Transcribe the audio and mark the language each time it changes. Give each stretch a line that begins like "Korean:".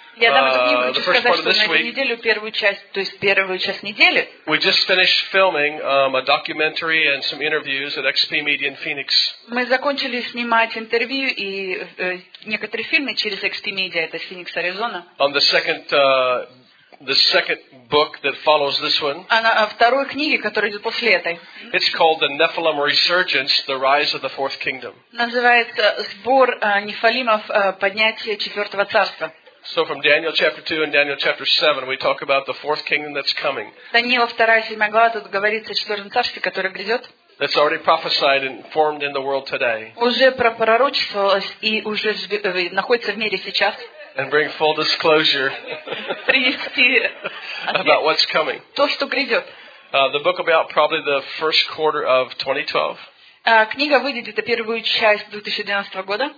Russian: Я дам эту книгу, хочу сказать, что на этой неделе первую часть, то есть первую часть недели.
English: We just finished filming a documentary and some interviews at XP Media in Phoenix.
Russian: Мы закончили снимать интервью и некоторые фильмы через XP Media, это Феникс, Аризона.
English: On the second book that follows this one.
Russian: Она второй книге, которая идет после этой.
English: It's called The Nephilim Resurgence: The Rise of the Fourth Kingdom.
Russian: Называется сбор нефилимов поднятие четвертого царства.
English: So from Daniel chapter 2 and Daniel chapter 7 we talk about the fourth kingdom that's coming.
Russian: Даниил 2, 7 глава тут говорится о четвёртом царстве, которое грядёт.
English: That's already prophesied and formed in the world today.
Russian: Уже пророчествовалось и уже находится в мире сейчас.
English: And bring full disclosure.
Russian: Принести
English: about what's coming.
Russian: То, что грядёт.
English: The book will be out probably the first quarter of 2012.
Russian: Книга выйдет это первую часть 2012 года.